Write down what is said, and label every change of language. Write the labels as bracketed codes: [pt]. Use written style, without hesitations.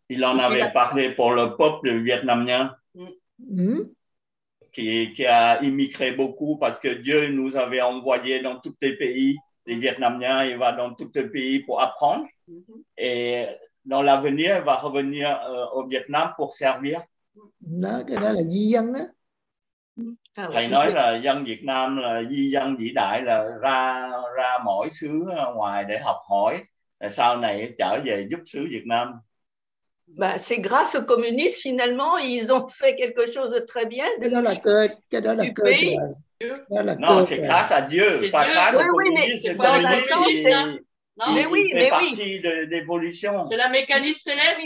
[fr] Il en avait parlé pour le peuple vietnamien qui a immigré beaucoup parce que Dieu nous avait envoyé dans tous les pays. Les Vietnamiens, il va dans tous les pays pour apprendre. Et dans l'avenir, il va revenir au Vietnam pour servir. [vi] Đó, cái đó là di dân á. Thầy nói là dân Việt Nam là di dân vĩ đại, là ra mỗi xứ ngoài để học hỏi, sau này trở về giúp xứ Việt Nam. [fr] Bah, c'est grâce aux communistes finalement, ils ont fait quelque chose de très bien. [vi] Cái đó là cơ. [fr] Non, c'est grâce à Dieu, pas grâce aux communistes. Non, mais oui, mais oui. D'évolution. C'est la mécanique céleste.